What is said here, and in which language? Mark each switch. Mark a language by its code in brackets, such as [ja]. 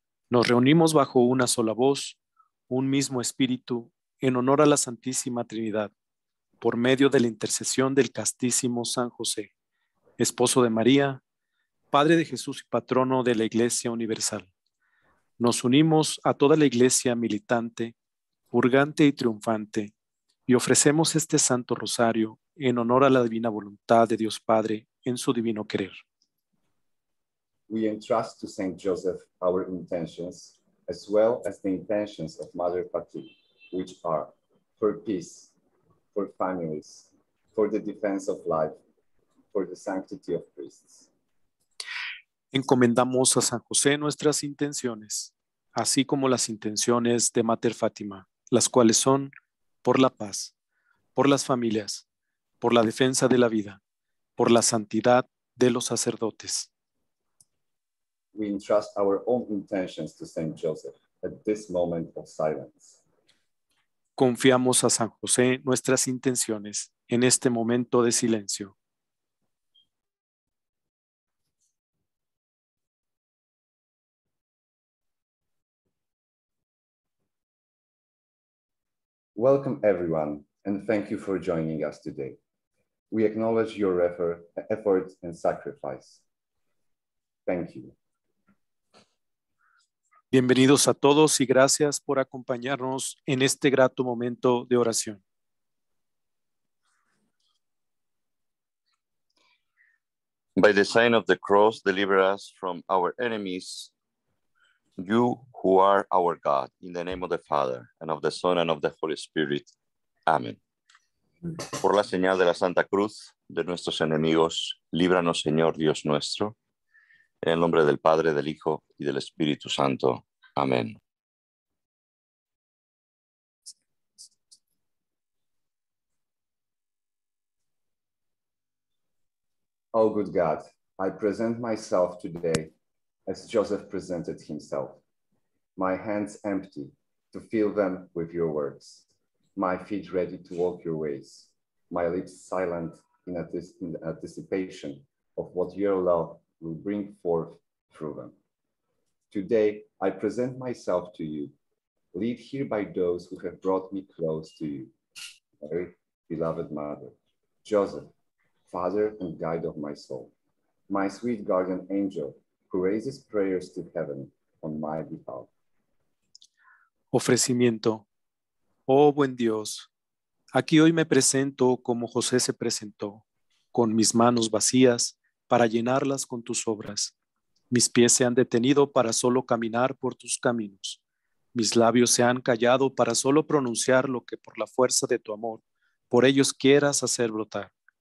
[es] Nos reunimos bajo una sola voz, un mismo espíritu, en honor a la Santísima Trinidad, por medio de la intercesión del castísimo San José, esposo de María, padre de Jesús y patrono de la Iglesia Universal. Nos unimos a toda la Iglesia militante, purgante y triunfante, y ofrecemos este Santo Rosario en honor a la divina voluntad de Dios Padre en su divino querer. [en] We entrust to Saint Joseph our intentions, as well as the intentions of Mother Fatima, which are for peace, for families, for the defense of life, for the sanctity of priests. [es] Encomendamos a San José nuestras intenciones, así como las intenciones de Mater Fátima, las cuales son por la paz, por las familias, por la defensa de la vida, por la santidad de los sacerdotes. [en] We entrust our own intentions to Saint Joseph at this moment of silence. [es] Confiamos a San José nuestras intenciones en este momento de silencio. [en] Welcome everyone, and thank you for joining us today. We acknowledge your efforts and sacrifice. Thank you. [es] Bienvenidos a todos y gracias por acompañarnos en este grato momento de oración. [en] By the sign of the cross, deliver us from our enemies. You who are our God, in the name of the Father, and of the Son, and of the Holy Spirit. Amen. [es] Por la señal de la Santa Cruz, de nuestros enemigos, líbranos, Señor Dios nuestro, en el nombre del Padre, del Hijo, y del Espíritu Santo. Amén. [en] Oh, good God, I present myself today as Joseph presented himself. My hands empty to fill them with your words, my feet ready to walk your ways, my lips silent in anticipation of what your love will bring forth through them. Today, I present myself to you, led here by those who have brought me close to you, Mary, beloved mother, Joseph, father and guide of my soul, my sweet guardian angel who raises prayers to heaven on my behalf. [es] Ofrecimiento. Oh, buen Dios, aquí hoy me presento como José se presentó, con mis manos vacías para llenarlas con tus obras. Mis pies se han detenido para solo caminar por tus caminos. Mis labios se han callado para solo pronunciar lo que por la fuerza de tu amor, por ellos quieras hacer brotar.